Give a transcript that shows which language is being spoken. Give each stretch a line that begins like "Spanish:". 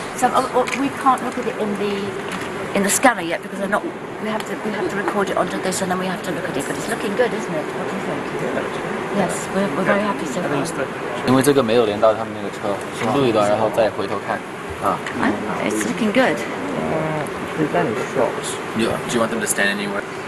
English: So we can't look at it in the scanner yet because they're not. We have to record it onto this and then we have to look at it. But it's looking good, isn't it? What do you think? Yes, we're very happy so far.
Chinese: 因为这个没有连到他们那个车，先录一段，然后再回头看。
English: It's looking good. Yeah, do you want them to stand anywhere?